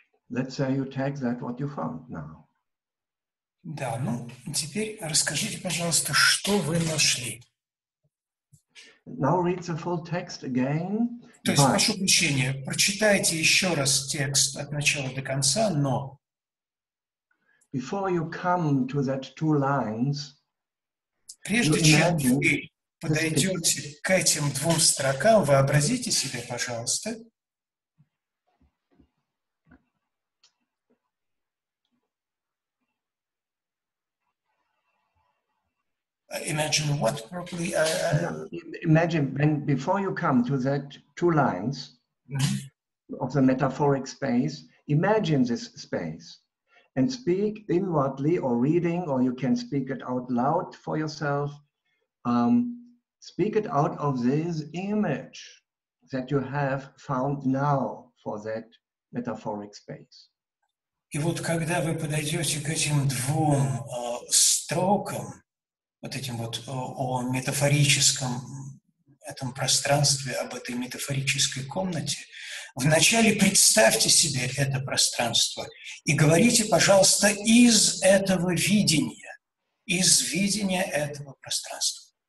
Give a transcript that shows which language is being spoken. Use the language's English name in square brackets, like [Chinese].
[English] Let's say you tag that what you found now. [Russian] Да, ну, теперь расскажите, пожалуйста, что вы нашли. [English] Now read the full text again. [Russian] То есть, прошу прощения, прочитайте еще раз текст от начала до конца, но... [English] Before you come to that two lines, [Russian] прежде чем вы подойдете к этим двум строкам, вообразите себе, пожалуйста... [English] Imagine what probably... Imagine when before you come to that two lines... of the metaphoric space, imagine this space and speak inwardly or reading, or you can speak it out loud for yourself. Speak it out of this image that you have found now for that metaphoric space. [Russian] И вот когда вы подойдете к этим двум строкам, вот этим вот о метафорическом этом пространстве, об этой метафорической комнате, вначале представьте себе это пространство и говорите, пожалуйста, из этого видения, из видения этого пространства.